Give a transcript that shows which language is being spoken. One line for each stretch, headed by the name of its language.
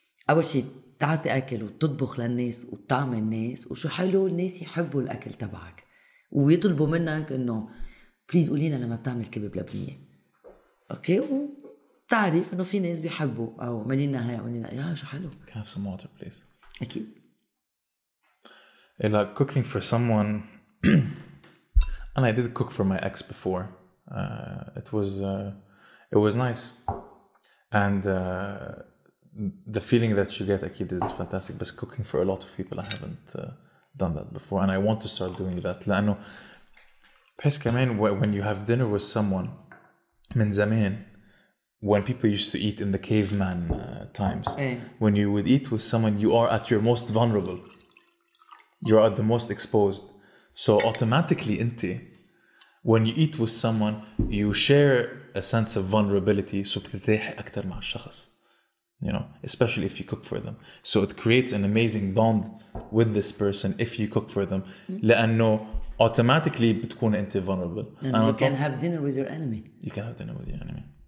Arabic: اول شيء تعطي اكل وتطبخ للناس وتطعم الناس، وشو حلو الناس يحبوا الاكل تبعك ويطلبوا منك انه بليز قولينا لما بتعمل كبب لبنيه اوكي، وتعرف انه في ناس بيحبوا او عملينا هاي عملينا يا شو حلو.
English: Can I have some water please؟
Arabic: اكيد.
English: Like cooking for someone and I did cook for my ex before. It was nice. And the feeling that you get اكيد is fantastic, but cooking for a lot of people I haven't done that before and I want to start doing that.
Arabic: لانه بحس كمان
English: when you have dinner with someone
Arabic: من زمان
English: when people used to eat in the caveman times when you would eat with someone you are at your most vulnerable, you're at the most exposed. So automatically انت when you eat with someone you share a sense of vulnerability, so
Arabic: بتتاح اكتر مع الشخص,
English: you know, especially if you cook for them. So it creates an amazing bond with this person if you cook for them.
Arabic: لأنه automatically بتكون انت vulnerable.
English: And you can have dinner with your enemy. You can have dinner with your enemy.